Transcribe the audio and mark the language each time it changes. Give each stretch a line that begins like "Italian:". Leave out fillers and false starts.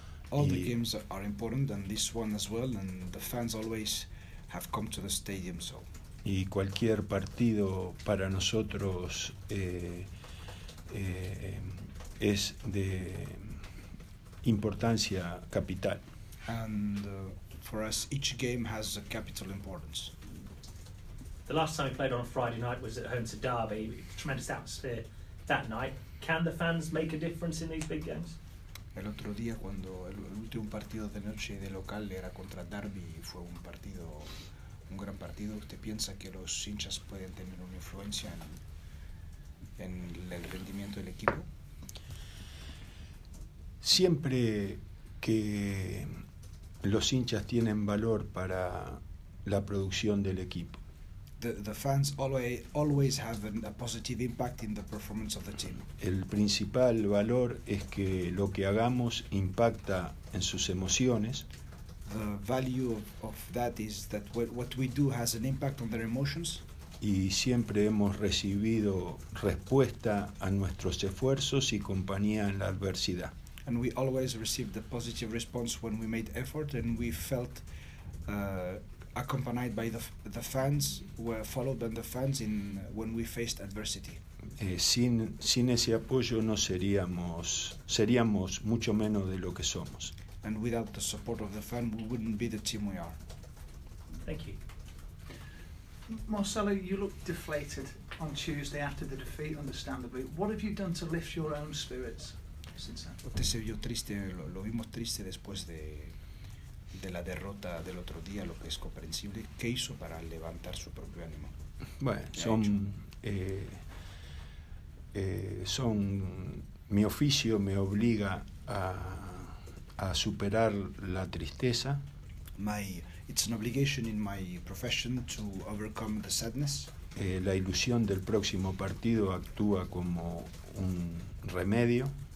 English: All the games are important, and this one as well, and the fans always have come to the stadium, so.
Spanish: Y cualquier partido para nosotros es de importancia capital.
English: And for us, each game has a capital importance. The last time we played on a Friday night was at home to Derby. Tremendous atmosphere that night. Can the fans make a difference in these big games?
Spanish: El otro día, cuando el último partido de noche de local era contra Derby, fue un partido, un gran partido. ¿Usted piensa que los hinchas pueden tener una influencia en el rendimiento del equipo? Siempre que los hinchas tienen valor para la producción del equipo.
English: The fans always have a positive impact in the performance of the team.
Spanish: El principal valor es que lo que hagamos impacta en sus emociones.
English: The value of that is that what we do has an impact on their emotions.
Spanish: y siempre hemos recibido respuesta a nuestros esfuerzos y compañía en la adversidad.
English: And we always received a positive response when we made effort, and we felt accompanied by the fans, were followed by the fans in when we faced adversity.
Spanish: Sin ese apoyo no seríamos mucho menos de lo que somos.
English: And without the support of the fan, we wouldn't be the team we are. Thank you. Marcelo, you looked deflated on Tuesday after the defeat, understandably. What have you done to lift your own spirits since then?
Spanish: Usted se vio triste, lo vimos triste después de la derrota del otro día, lo que es comprensible. ¿Qué hizo para levantar su propio ánimo? Bueno, son mi oficio me obliga a superar la tristeza.
English: It's an obligation in my profession to overcome the sadness.
Spanish: La ilusión del próximo partido actúa como un remedio.